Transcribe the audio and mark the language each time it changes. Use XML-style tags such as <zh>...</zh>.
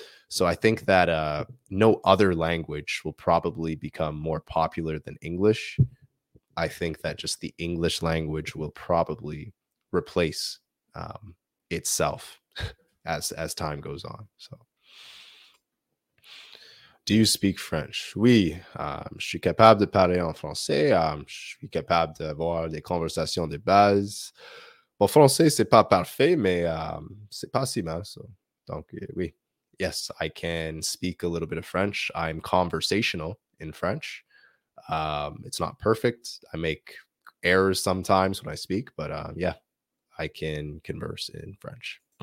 <en>So I think that no other language will probably become more popular than English. I think that just the English language will probably replace itself as time goes on. So, do you speak French?</en> <fr>Oui, je suis capable de parler en français. Je suis capable d'avoir des conversations de base. Bon, français, c'est pas parfait, mais c'est pas si mal. So, donc, oui.</fr> <en>Yes, I can speak a little bit of French. I'm conversational in French. It's not perfect. I make errors sometimes when I speak, but yeah, I can converse in French.</en>